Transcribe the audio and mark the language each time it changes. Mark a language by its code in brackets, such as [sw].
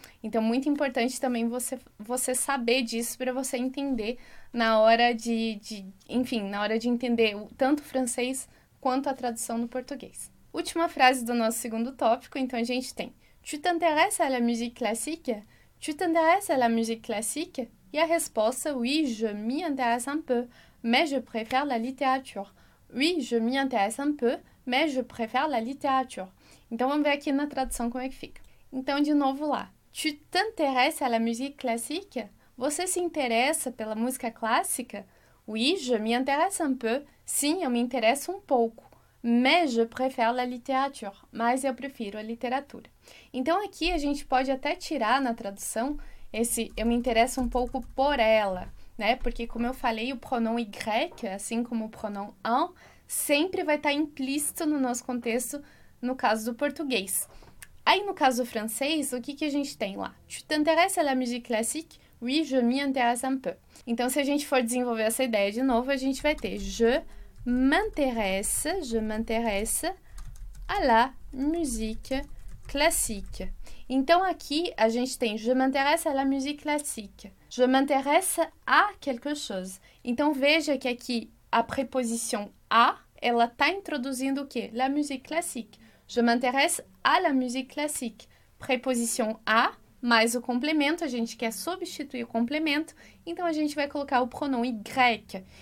[pt] Então, muito importante também você saber disso para você entender na hora de entender tanto o francês quanto a tradução no português. Última frase do nosso segundo tópico, então a gente tem [fr] Tu t'intéresses à la musique classique? Tu t'intéresses à la musique classique? [pt] E a resposta, [fr] oui, je m'y intéresse un peu, mais je préfère la littérature. Oui, je m'y intéresse un peu, mais je préfère la littérature. [pt] Então, vamos ver aqui na tradução como é que fica. Então, de novo lá. [fr] Tu t'intéresses à la musique classique? [pt] Você se interessa pela música clássica? [fr] Oui, je m'y intéresse un peu. [pt] Sim, eu me interesso um pouco. [fr] Mais je préfère la littérature. [pt] Mas eu prefiro a literatura. Então aqui a gente pode até tirar na tradução esse eu me interesso um pouco por ela, né? Porque como eu falei, o pronom y, assim como o pronom en, sempre vai estar implícito no nosso contexto no caso do português. Aí no caso do francês, o que que a gente tem lá? [fr] Tu t'intéresses à musique classique? Oui, je m'y intéresse un peu. [pt] Então, se a gente for desenvolver essa ideia de novo, a gente vai ter [fr] je m'intéresse à la musique classique. [pt] Então, aqui a gente tem [fr] je m'intéresse à la musique classique. Je m'intéresse à quelque chose. [pt] Então, veja que aqui a preposição à, ela está introduzindo o quê? [fr] La musique classique. Je m'intéresse à la musique classique. [pt] Preposição à. Mais o complemento, a gente quer substituir o complemento, então a gente vai colocar o pronom y.